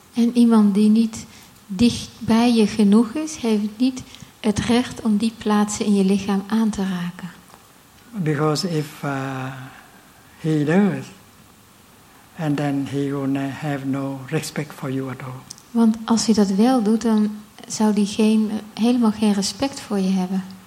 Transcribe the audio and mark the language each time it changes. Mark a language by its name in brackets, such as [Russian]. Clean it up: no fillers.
[Dutch] En iemand die niet dicht bij je genoeg is, heeft niet het recht om die plaatsen in je lichaam aan te raken. [English] Because if he does, and then he will have no respect for you at all. [Dutch] Want als hij dat wel doet, dan zou die helemaal geen respect voor je hebben.